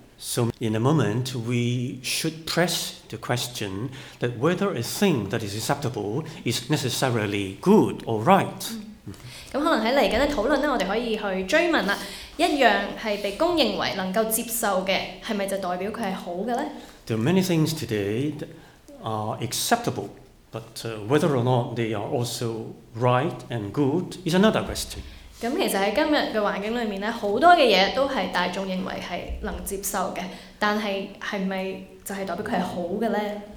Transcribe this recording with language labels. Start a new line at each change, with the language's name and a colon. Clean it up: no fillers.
English: So in a moment, we should press the question that whether a thing that is acceptable is necessarily good or right.
Cantonese: 咁可能喺嚟緊嘅討論咧，我哋可以去追問啦。一樣係被公認為能夠接受嘅，係咪就代表佢係好嘅咧
English: ？There are many things today that are acceptable, but whether or not they are also right and good is another question.
Cantonese: 咁其實喺今日嘅環境裏面咧，好多嘅嘢都係大眾認為係能接受嘅，但係係咪就係代表佢係好嘅咧